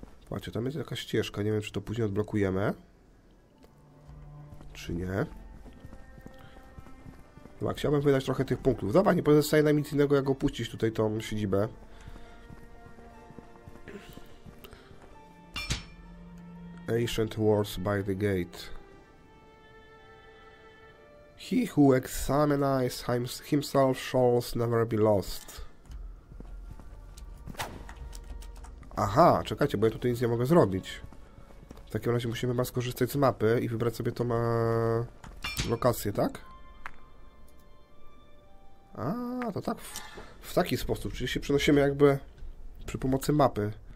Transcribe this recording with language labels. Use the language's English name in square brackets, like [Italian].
[Polish] Patrzcie, tam jest jakaś ścieżka. Nie wiem, czy to później odblokujemy. Czy nie. Dobra, chciałbym wydać trochę tych punktów. Dobra, nie pozostaje nam nic innego, jak opuścić tutaj tą siedzibę. [English] Ancient Wars by the Gate. He who examines himself shall never be lost. [Polish] Aha, czekajcie, bo ja tutaj nic nie mogę zrobić. W takim razie musimy chyba skorzystać z mapy i wybrać sobie tą lokację, tak? A, to tak w taki sposób, czyli się przenosimy jakby przy pomocy mapy.